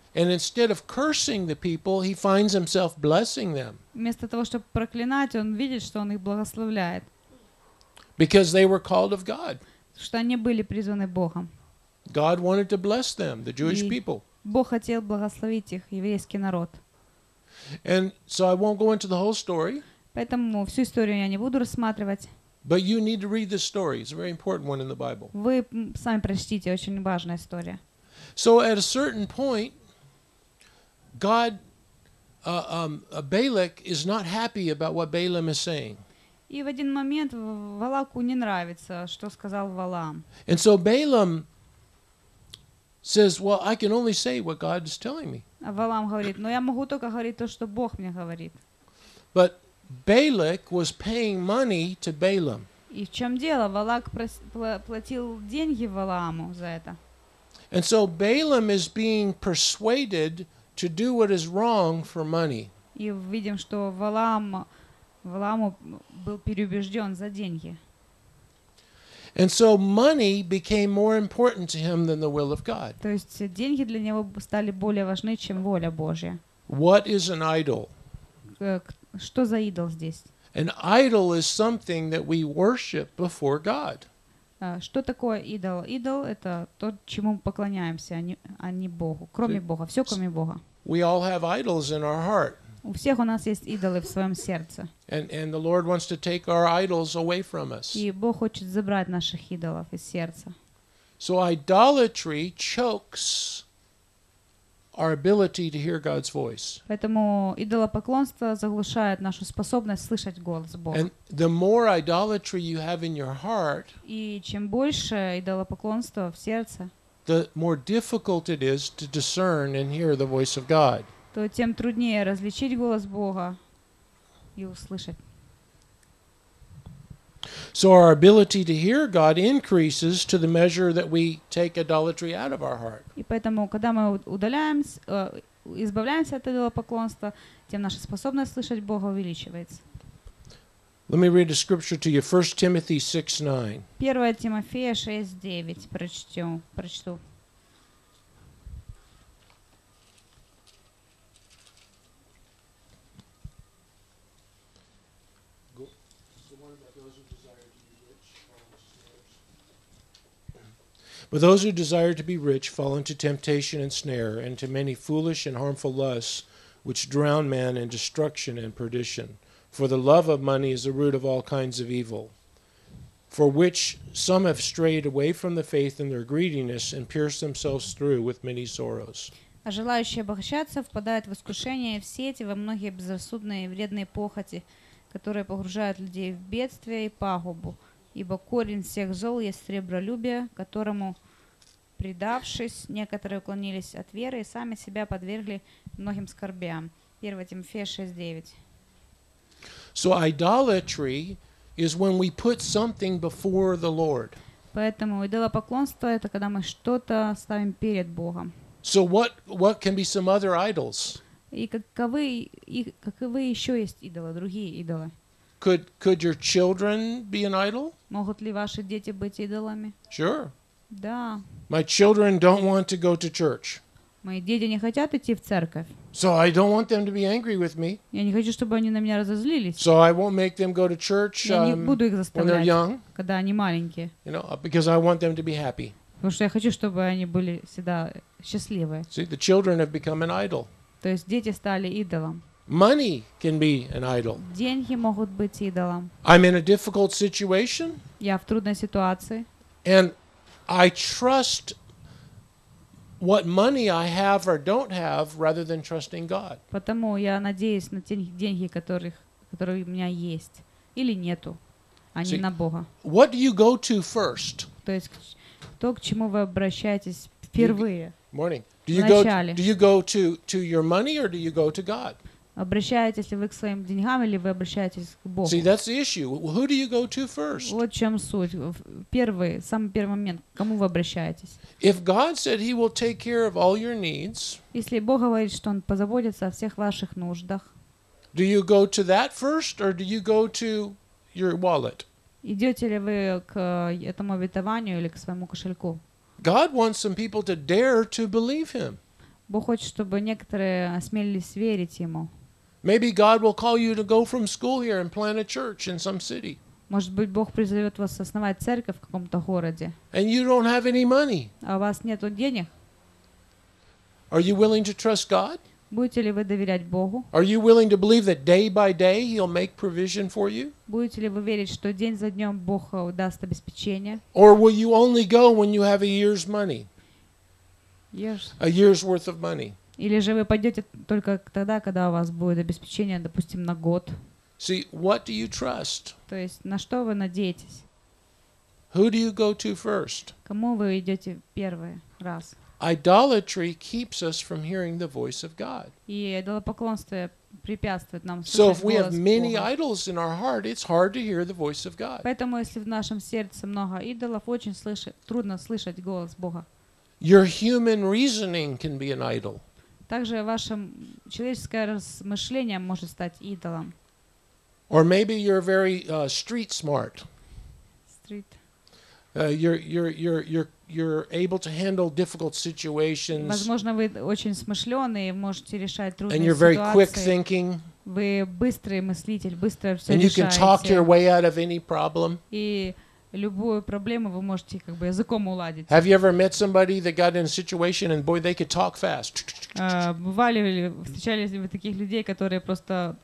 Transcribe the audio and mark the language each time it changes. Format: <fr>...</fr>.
<en>And instead of cursing the people, he finds himself blessing them.</en> <ru>Вместо того, чтобы проклинать, он видит, что он их благословляет.</ru> <en>Because they were called of God.</en> <ru>Что они были призваны Богом.</ru> <en>God wanted to bless them, the Jewish people.</en> <ru>Бог хотел благословить их, еврейский народ.</ru> <en>And so I won't go into the whole story.</en> <ru>Поэтому всю историю я не буду рассматривать.</ru> <en>But you need to read this story. It's a very important one in the Bible.</en> <ru>Вы сами прочтите, очень важная история.</ru> <en>So at a certain point, God, Balak is not happy about what Balaam is saying.</en> <ru>И в один момент Валаку не нравится, что сказал Валаам.</ru> <en>And so Balaam says, "Well, I can only say what God is telling me."</en> <ru>А Валаам говорит: "Но я могу только говорить то, что Бог мне говорит."</ru> <en>But Balak was paying money to Balaam.</en> <ru>И в чем дело? Валак платил деньги Валааму за это.</ru> <en>And so Balaam is being persuaded to do what is wrong for money.</en> <ru>И видим, что Валааму был переубежден за деньги.</ru> <en>And so money became more important to him than the will of God.</en> <ru>То есть деньги для него стали более важны, чем воля Божья.</ru> <en>What is an idol?</en> <ru>Что за идол здесь?</ru> <en>An idol is something that we worship before God.</en> <ru>Что такое идол? Идол — это то, чему мы поклоняемся, а не Богу. Кроме Бога. Все, кроме Бога.</ru> <en>We all have idols in our heart.</en> <ru>У всех у нас есть идолы в своем сердце.</ru> <en>And the Lord wants to take our idols away from us.</en> <ru>И Бог хочет забрать наших идолов из сердца.</ru> <en>So idolatry chokes our ability to hear God's voice.</en> <ru>Поэтому идолопоклонство заглушает нашу способность слышать голос Бога.</ru> <en>And the more idolatry you have in your heart,</en> <ru>и чем больше идолопоклонства в сердце,</ru> <en>the more difficult it is to discern and hear the voice of God.</en> <ru>То тем труднее различить голос Бога и услышать.</ru> <en>So our ability to hear God increases to the measure that we take idolatry out of our heart.</en> <ru>И поэтому, когда мы избавляемся от идолопоклонства, тем наша способность слышать Бога увеличивается.</ru> <en>Let me read a scripture to you. 1 Timothy 6:9.</en> <ru>1 Тимофея 6:9. Прочту.</ru> <en>But those who desire to be rich fall into temptation and snare, and to many foolish and harmful lusts, which drown man in destruction and perdition. For the love of money is the root of all kinds of evil, for which some have strayed away from the faith in their greediness and pierced themselves through with many sorrows.</en> <ru>А желающие обогащаться впадают в искушение, в сети, во многие безрассудные и вредные похоти, которые погружают людей в бедствие и пагубу. Ибо корень всех зол есть сребролюбие, которому, предавшись, некоторые уклонились от веры и сами себя подвергли многим скорбям. 1 Тимофея 6:9.</ru> <en>So idolatry is when we put something before the Lord.</en> <ru>Поэтому идолопоклонство — это когда мы что-то ставим перед Богом.</ru> <en>So what can be some other idols?</en> <ru>И каковы еще есть идолы, другие идолы?</ru> <en>Could your children be an idol?</en> <ru>Могут ли ваши дети быть идолами?</ru> <en>Sure.</en> <ru>Да.</ru> <en>My children don't want to go to church.</en> <ru>Мои дети не хотят идти в церковь.</ru> <en>So I don't want them to be angry with me.</en> <ru>Я не хочу, чтобы они на меня разозлились.</ru> <en>So I won't make them go to church.</en> <ru>Я не буду их заставлять.</ru> <en>When they're young.</en> <ru>Когда они маленькие.</ru> <en>You know, because I want them to be happy.</en> <ru>Потому что я хочу, чтобы они были всегда счастливы.</ru> <en>See, the children have become an idol.</en> <ru>То есть дети стали идолом.</ru> <en>Money can be an idol.</en> <ru>Деньги могут быть идолом.</ru> <en>I'm in a difficult situation.</en> <ru>Я в трудной ситуации.</ru> <en>And I trust what money I have or don't have rather than trusting God.</en> <ru>Потому я надеюсь на те деньги, которые у меня есть или нету, а не на Бога.</ru> <en>What do you go to first?</en> <ru>То есть то, к чему вы обращаетесь впервые.</ru> <en>Morning. Do you go to your money or do you go to God?</en> <ru>Обращаетесь ли вы к своим деньгам или вы обращаетесь к Богу?</ru> <en>See, that's the issue. Who do you go to first?</en> <ru>Вот в чем суть. Первый, самый первый момент, к кому вы обращаетесь?</ru> <en>If God said he will take care of all your needs,</en> <ru>если Бог говорит, что он позаботится о всех ваших нуждах,</ru> <en>do you go to that first or do you go to your wallet?</en> <ru>Идете ли вы к этому обетованию или к своему кошельку?</ru> <en>God wants some people to dare to believe him.</en> <ru>Бог хочет, чтобы некоторые осмелились верить ему.</ru> <en>Maybe God will call you to go from school here and plant a church in some city.</en> <ru>Может быть, Бог призовет вас основать церковь в каком-то городе.</ru> <en>And you don't have any money.</en> <ru>А у вас нету денег.</ru> <en>Are you willing to trust God?</en> <ru>Будете ли вы доверять Богу?</ru> <en>Are you willing to believe that day by day He'll make provision for you?</en> <ru>Будете ли вы верить, что день за днем Бог даст обеспечение?</ru> <en>Or will you only go when you have a year's money? A year's worth of money.</en> <ru>Или же вы пойдете только тогда, когда у вас будет обеспечение, допустим, на год.</ru> <en>See, what do you trust?</en> <ru>То есть, на что вы надеетесь?</ru> <en>Who do you go to first?</en> <ru>Кому вы идете первый раз?</ru> <en>Idolatry keeps us from hearing the voice of God.</en> <ru>И идолопоклонство препятствует нам слышать голос Бога.</ru> <en>So if we have many idols in our heart, it's hard to hear the voice of God.</en> <ru>Поэтому, если в нашем сердце много идолов, очень трудно слышать голос Бога.</ru> <en>Your human reasoning can be an idol.</en> <ru>Также ваше человеческое размышление может стать идолом.</ru> <en>Or maybe you're very street smart. Street. You're able to handle difficult situations.</en> <ru>Возможно, вы очень смышленый, можете решать трудные ситуации.</ru> <en>And you're very quick thinking.</en> <ru>Вы быстрый мыслитель, быстро все решаете.</ru> <en>And you can talk your way out of any problem.</en> <ru>Любую проблему вы можете как бы языком уладить.</ru> <en>Have you ever met somebody that got in a situation and boy, they could talk fast?</en> <ru>Бывали ли, встречались ли вы таких людей, которые просто...</ru>